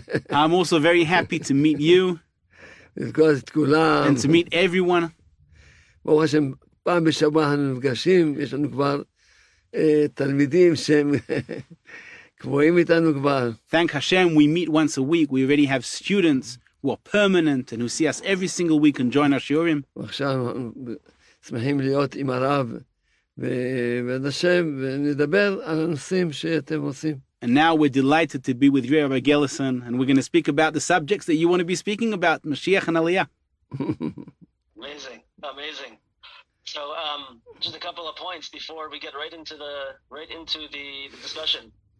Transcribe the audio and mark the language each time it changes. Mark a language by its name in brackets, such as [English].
[English] I'm also very happy to meet you. [Hebrew] לפגוש את כולם. [English] And to meet everyone. [Hebrew] ברוך השם, פעם בשבוע אנחנו נפגשים, יש לנו כבר תלמידים שהם קבועים איתנו כבר. [English] Thank Hashem, we meet once a week. We already have students who are permanent and who see us every single week and join our shiurim. [Hebrew] ועכשיו שמחים להיות עם הרב ועד השם, ונדבר על הנושאים שאתם עושים. [English] And now we're delighted to be with you, Rabbi Gelison, and we're going to speak about the subjects that you want to be speaking about, Mashiach and Aliyah. Amazing, amazing. So just a couple of points before we get right into the discussion.